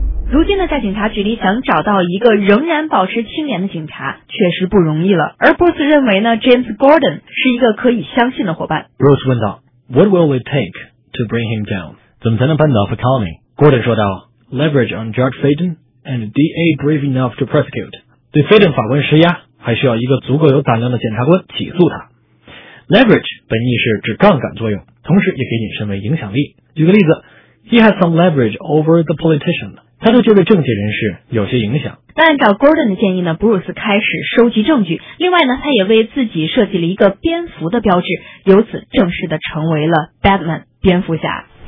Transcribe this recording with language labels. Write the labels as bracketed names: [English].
[Chinese] 如今呢，在警察局里想找到一个仍然保持清廉的警察，确实不容易了。而 Bruce 认为呢 ，James Gordon 是一个可以相信的伙伴。 [English] Bruce 问道 ，What will it take to bring him down？ [Chinese] 怎么才能扳倒 Falcone？ [English] Gordon 说道 ，Leverage on Judge Faden and DA brave enough to prosecute。 [Chinese] 对 Faden 法官施压，还需要一个足够有胆量的检察官起诉他。 Leverage 本意是指杠杆作用，同时也可以引申为影响力。 [English] 举个例子 ，He has some leverage over the politician. [Chinese] 他对这位政界人士有些影响。但按照 Gordon 的建议呢 ，Bruce 开始收集证据。另外呢，他也为自己设计了一个蝙蝠的标志，由此正式的成为了 Batman 蝙蝠侠。